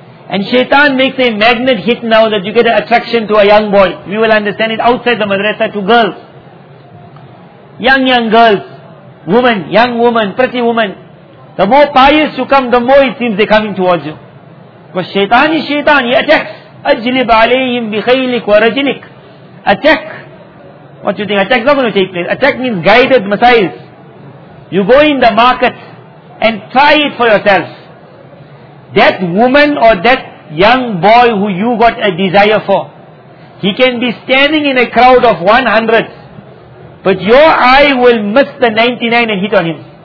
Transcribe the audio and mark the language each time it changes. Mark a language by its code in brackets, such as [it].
[en] And shaitan makes a magnet hit now that you get an attraction to a young boy. We will understand it outside the madrasa to girls. Young girls, women, young woman, pretty woman. The more pious you come, the more it seems they're coming towards you. Because shaitan is shaitan, he attacks. [ar] أَجْلِبْ عَلَيْهِمْ بِخَيْلِكُ وَرَجِلِكُ Attack. [en] What do you think? Attack is not going to take place. Attack means guided missiles. You go in the market and try it for yourself. That woman or that young boy who you got a desire for, he can be standing in a crowd of 100, but your eye will miss the 99 and hit on him.